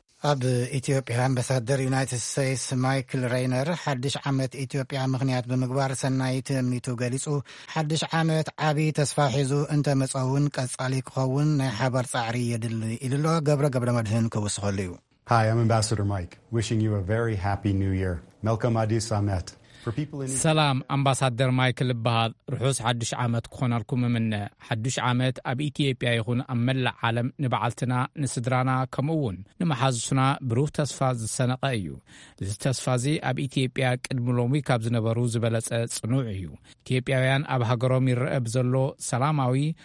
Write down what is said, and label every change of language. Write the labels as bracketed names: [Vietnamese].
[Tigrinya] ኣብ ኢትዮጵያ ኣምባሳደር ዩናይትድ ስቴትስ ማይክል ሬይነር ሓድሽ ዓመት ኢትዮጵያ ምክንያት ብምግባር ሰናይ ትምኒቱ ገሊፁ ሓድሽ ዓመት ዓብዪ ተስፋ ሒዙ እንተመፀውን ቀፃሊ ክኸውን ናይ ሓባር ፃዕሪ የድሊ ኢሉ ሎ ገብረ ገብረ መድህን ክውስኸሉ እዩ [English] Hi, I'm Ambassador Mike, wishing you a very happy new year. Malcolm Addis Ahmed. [Tigrinya] ሰላም ኣምባሳደር ማይክል ይበሃል ርሑስ ሓዱሽ ዓመት ክኾነልኩም እምነ ሓዱሽ ዓመት ኣብ ኢትዮጵያ ይኹን ኣብ መላእ ዓለም ንበዓልትና ንስድራና ከምኡ እውን ንመሓዙሱና ብሩህ ተስፋ ዝሰነቐ እዩ እዚ ተስፋ እዚ ኣብ ኢትዮጵያ ቅድሚ ሎሚ ካብ ዝነበሩ ዝበለፀ ጽኑዕ እዩ ኢትዮጵያውያን ኣብ ሃገሮም ይረአ ብዘሎ ሰላማዊ